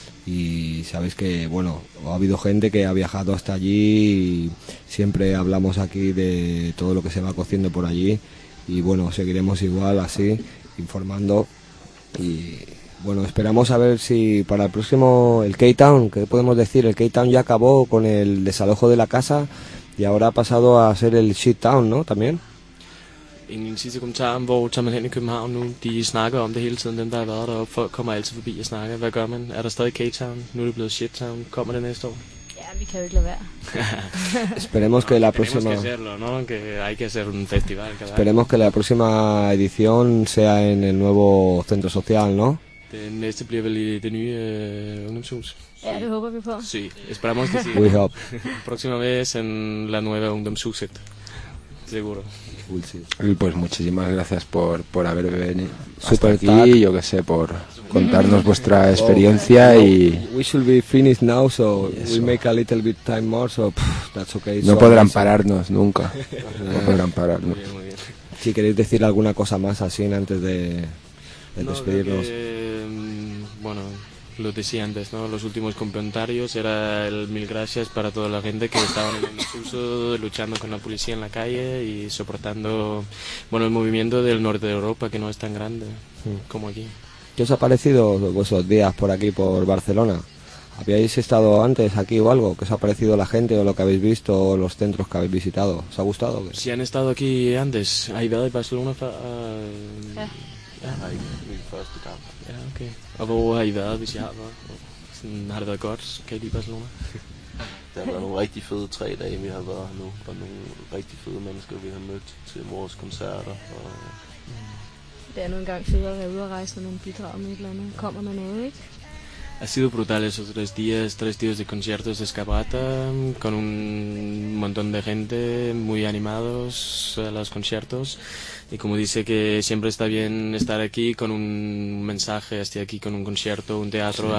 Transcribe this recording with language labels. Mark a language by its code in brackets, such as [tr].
[es] Y sabéis que, bueno, ha habido gente que ha viajado hasta allí y siempre hablamos aquí de todo lo que se va cociendo por allí. Y bueno, seguiremos igual así, informando y... Bueno, esperamos a ver si para el próximo, el K-Town, ¿qué podemos decir? El K-Town ya acabó con el desalojo de la casa y ahora ha pasado a ser el Shit-Town, ¿no? También. En el [da] sidste kommentar, hvor tager man hen i København nu, de snakker om det hele tiden, dem der har været deroppe, folk kommer altid forbi og snakker. Hvad gør man? Er der stadig K-Town? Nu er det blevet Shit-Town. Kommer det næste år? Ja, vi kan jo ikke lade være. [es] Esperemos que la próxima... Tenemos que hacerlo, ¿no? Que hay que hacer un festival. Esperemos que la próxima edición sea en el nuevo centro social, ¿no? [da] Den næste bliver vel i det nye ungdomshus. Ja, det håber vi på. [es] Sí, esperamos que sí. [en] We hope. [es] Próxima vez en la nueva ungdomshuset. Seguro. Pues muchísimas gracias por haber venido super aquí, yo que sé, por contarnos vuestra experiencia y... [en] We should be finished now, so we make a little bit time more, so that's okay. [es] No podrán pararnos nunca. No podrán pararnos. Muy bien, muy bien. Si queréis decir alguna cosa más así antes de... No, despedirnos. Bueno, lo decía antes, ¿no? Los últimos comentarios era el mil gracias para toda la gente que estaba en el uso, luchando con la policía en la calle y soportando, bueno, el movimiento del norte de Europa, que no es tan grande como aquí. ¿Qué os ha parecido vuestros días por aquí, por Barcelona? ¿Habíais estado antes aquí o algo? ¿Qué os ha parecido la gente o lo que habéis visto o los centros que habéis visitado? ¿Os ha gustado? Si han estado aquí antes, ¿ha ido a Barcelona? [da] Ja, ikke min første kamp. Ja, okay. Og hvor har I været, hvis I har været? Sådan, har det været godt? Kan I lide Barcelona? Der har været nogle rigtig fede tre dage, vi har været her nu. Og nogle rigtig fede mennesker, vi har mødt til vores koncerter. Og... Det er nu engang fede at være ude og rejse, når man bidrager med et eller andet. Kommer man noget, ikke? [es] Ha sido brutal esos tres días de conciertos de Escapata, con un montón de gente muy animados a los conciertos. Y como dice que siempre está bien estar aquí con un mensaje, estar aquí con un concierto, un teatro, sí.